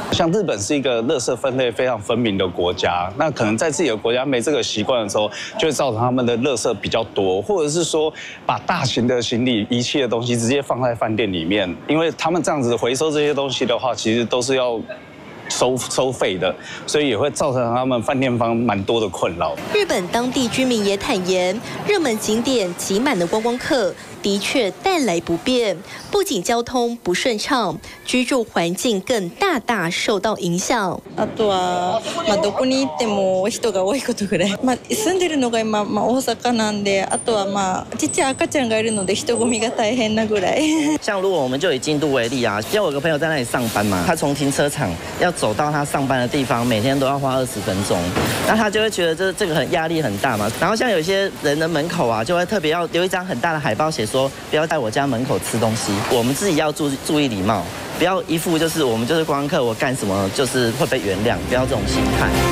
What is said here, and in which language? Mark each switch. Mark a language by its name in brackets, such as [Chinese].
[Chinese] 像日本是一个垃圾分类非常分明的国家，那可能在自己的国家没这个习惯的时候，就会造成他们的垃圾比较多，或者是说把大型的行李仪器的东西直接放在饭店里面，因为他们这样子回收这些东西的话，其实都是要收费的，所以也会造成他们饭店方蛮多的困扰。日本当地居民也坦言，热门景点挤满了观光客，的确带来不便，不仅交通不顺畅，居住环境更大大受到影响。 [Japanese] あとは、まあどこに行っても人が多いことぐらい。まあ住んでるのが今、まあ大阪なんで、あとはまあちっちゃい赤ちゃんがいるので人混みが大変なぐらい。 [Chinese] 像如果我们就以京都为例啊，因为我有个朋友在那里上班嘛，他从停车场要走到他上班的地方，每天都要花20分钟，那他就会觉得这个很压力很大嘛。然后像有些人的门口啊，就会特别要留一张很大的海报写说不要在我家门口吃东西，我们自己要注意礼貌，不要一副就是我们就是观光客，我干什么就是会被原谅，不要这种心态。